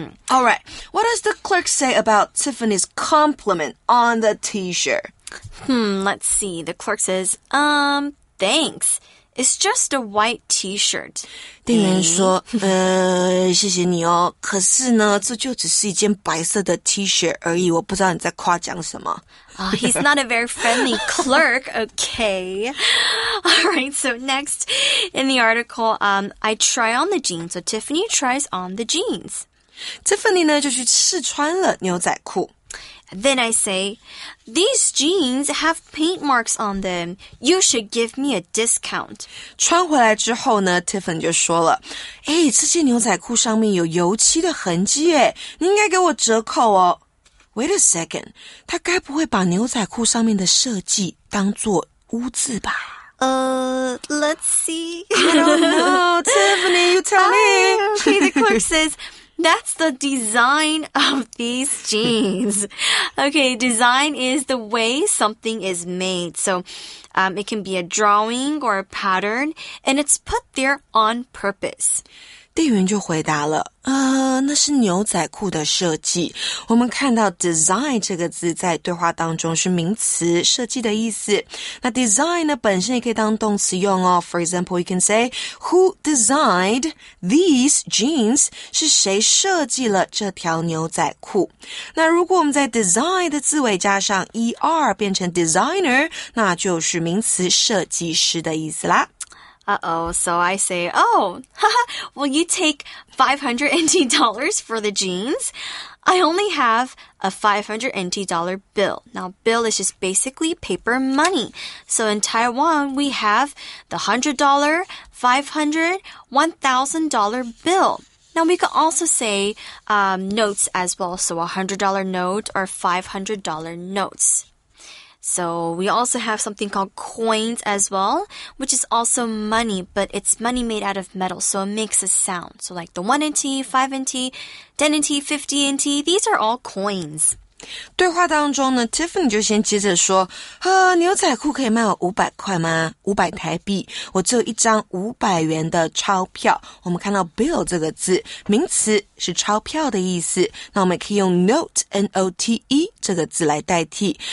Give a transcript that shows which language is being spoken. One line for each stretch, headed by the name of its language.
English: All right, what does the clerk say about Tiffany's compliment on the t-shirt? Let's see, the clerk says, thanks, it's just a white t-shirt.
Chinese: 店员说谢谢你哦可是呢这就只是一件白色的 t-shirt 而已我不知道你在夸奖什么。
English: He's not a very friendly clerk, okay. Alright, so next in the article, I try on the jeans, so Tiffany tries on the jeans.
Chinese: Tiffany 呢就去试穿了牛仔裤。
English: Then I say, these jeans have paint marks on them. You should give me a discount.
Chinese: 穿回来之后呢 ,Tiffany 就说了，诶，这件牛仔裤上面有油漆的痕迹耶，你应该给我折扣哦。
English: Wait a second,
Chinese: 他该不会把牛仔裤上面的设计当作污渍吧？
English: Let's see. I don't know. Tiffany, you tell me. Okay, the clerk says, that's the design of these jeans. Okay, design is the way something is made. So, it can be a drawing or a pattern, and it's put there on purpose.
Chinese: 店员就回答了，那是牛仔裤的设计。我们看到 design 这个字在对话当中是名词，设计的意思。那 design 呢，本身也可以当动词用哦。
English: For example, you can say, who designed these jeans?
Chinese: 是谁设计了这条牛仔裤？那如果我们在 design 的字尾加上 er 变成 designer, 那就是名词设计师的意思啦。
English: Uh-oh, so I say, oh, will you take $500 for the jeans? I only have a $500 bill. Now, bill is just basically paper money. So in Taiwan, we have the $100, $500, $1,000 bill. Now, we could also say notes as well. So a $100 note or $500 notes. So, we also have something called coins as well, which is also money, but it's money made out of metal, so it makes a sound. So, like the 1NT, 5NT, 10NT, 50NT, these are all coins.
Chinese: 对话当中呢 ,Tiffany 就先接着说，牛仔裤可以卖我500块吗？500台币，我只有一张500元的钞票。我们看到 bill 这个字，名词是钞票的意思，那我们可以用 note, N-O-T-E 这个字来代替。